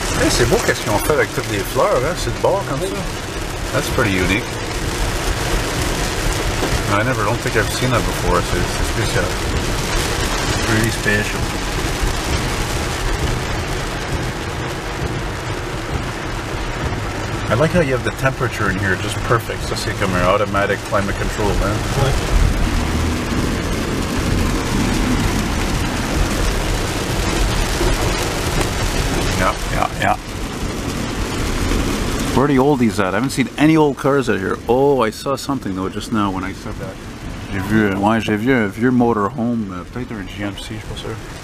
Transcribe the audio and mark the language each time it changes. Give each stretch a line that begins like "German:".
French: C'est beau qu'est-ce qu'ils ont fait avec toutes les fleurs, hein? C'est de bord comme ça.
English: That's pretty unique. I never don't think I've seen that before,
French: c'est spécial.
English: It's really special. I like how you have the temperature in here just perfect.
French: Ça c'est comme un automatic climate control, hein?
English: Yeah. Where are the oldies at? I haven't seen any old cars out here. Oh, I saw something though just now when I said that.
French: J'ai vu, ouais, j'ai vu un vieux motorhome, peut-être un GMC, je suis pas sûr.